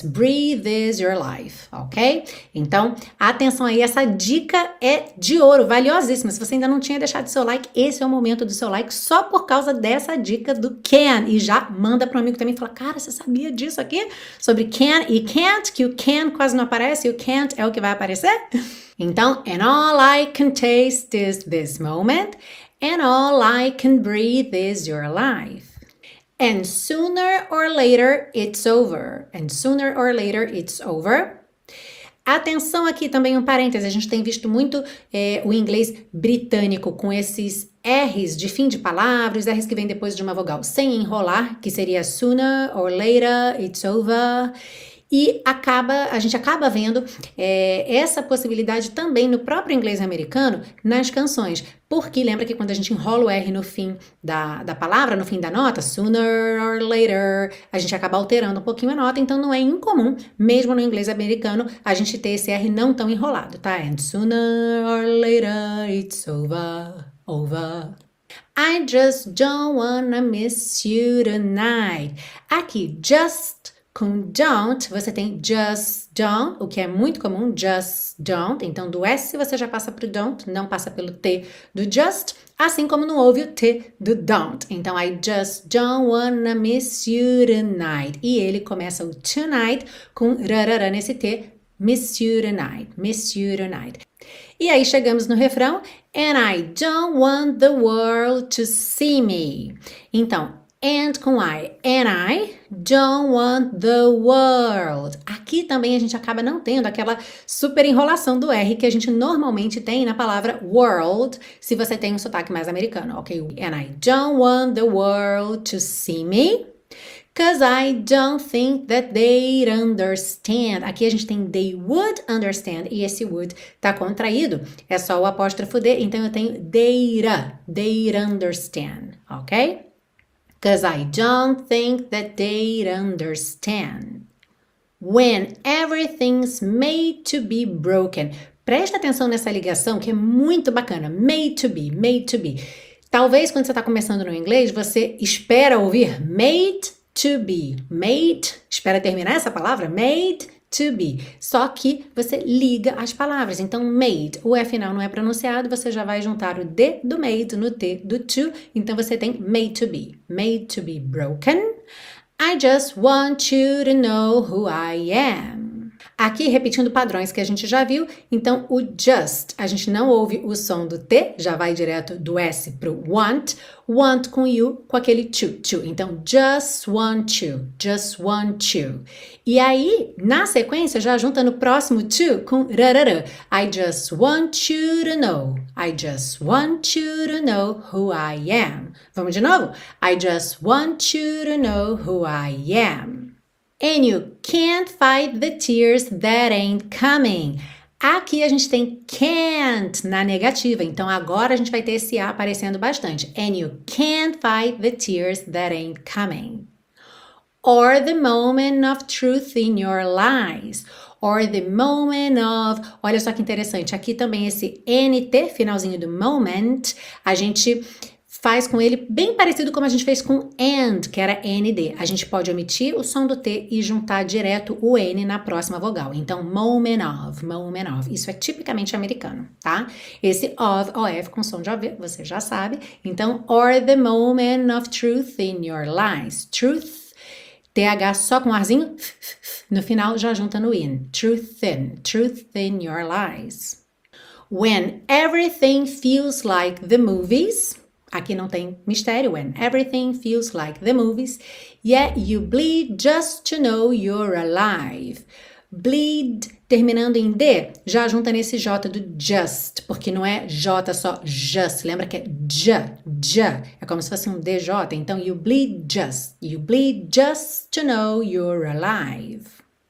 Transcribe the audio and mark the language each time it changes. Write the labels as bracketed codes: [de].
[en] Breathe is your life, [pt] ok? Então, atenção aí, essa dica é de ouro, valiosíssima. Se você ainda não tinha deixado seu like, esse é o momento do seu like só por causa dessa dica do can. E já manda para um amigo também e fala: cara, você sabia disso aqui? Sobre can e can't, que o can quase não aparece e o can't é o que vai aparecer? [en] Então, and all I can taste is this moment, and all I can breathe is your life. And sooner or later it's over. And sooner or later it's over. [pt] Atenção aqui também, um parênteses: a gente tem visto muito o inglês britânico com esses R's de fim de palavras, R's que vem depois de uma vogal, sem enrolar, que seria sooner or later it's over. E a gente acaba vendo essa possibilidade também no próprio inglês americano nas canções. Porque lembra que quando a gente enrola o R no fim da palavra, no fim da nota, sooner or later, a gente acaba alterando um pouquinho a nota. Então não é incomum, mesmo no inglês americano, a gente ter esse R não tão enrolado, tá? [en] And sooner or later, it's over. I just don't wanna miss you tonight. [pt] Aqui, just. Com don't, você tem just don't, o que é muito comum, just don't. Então, do S você já passa para o don't, não passa pelo T do just, assim como não houve o T do don't. [en] Então, I just don't wanna miss you tonight. [pt] E ele começa o tonight com rarara nesse T, [en] miss you tonight, miss you tonight. [pt] E aí chegamos no refrão, [en] and I don't want the world to see me. Então, and com I, and I don't want the world. [pt] Aqui também a gente acaba não tendo aquela super enrolação do R que a gente normalmente tem na palavra world, se você tem um sotaque mais americano, ok? [en] And I don't want the world to see me, 'cause I don't think that they'd understand. [pt] Aqui a gente tem [en] they would understand, [pt] e esse would tá contraído, é só o apóstrofo D, então eu tenho they'd understand, ok? [en] 'Cause I don't think that they'd understand. When everything's made to be broken. [pt] Presta atenção nessa ligação que é muito bacana. Made to be, made to be. Talvez quando você está começando no inglês, você espera ouvir made to be. Made, espera terminar essa palavra, made to be. Só que você liga as palavras. Então, made, o E final não é pronunciado, você já vai juntar o D do made no T do to. [en] Então, você tem made to be broken. I just want you to know who I am. [pt] Aqui, repetindo padrões que a gente já viu, então o just, a gente não ouve o som do T, já vai direto do S para o want. Want com you, com aquele to. [en] Então, just want you, just want you. [pt] E aí, na sequência, já junta no próximo to com rarara. [en] I just want you to know. I just want you to know who I am. [pt] Vamos de novo? [en] I just want you to know who I am. And you can't fight the tears that ain't coming. [pt] Aqui a gente tem can't na negativa, então agora a gente vai ter esse A aparecendo bastante. [en] And you can't fight the tears that ain't coming. Or the moment of truth in your lies. Or the moment of. [pt] Olha só que interessante, aqui também esse NT, finalzinho do moment, a gente faz com ele bem parecido como a gente fez com and, que era nd. A gente pode omitir o som do t e juntar direto o n na próxima vogal. Então, moment of, isso é tipicamente americano, tá? Esse of, of com som de ov, você já sabe. [en] Então, or the moment of truth in your lies. [pt] Truth, th só com arzinho, no final já junta no in. [en] Truth in your lies. When everything feels like the movies. [pt] Aqui não tem mistério. [en] When everything feels like the movies, yet you bleed just to know you're alive. [pt] Bleed, terminando em D, já junta nesse J do just, porque não é J só just. Lembra que é J. É como se fosse um DJ. [en] Então, you bleed just to know you're alive.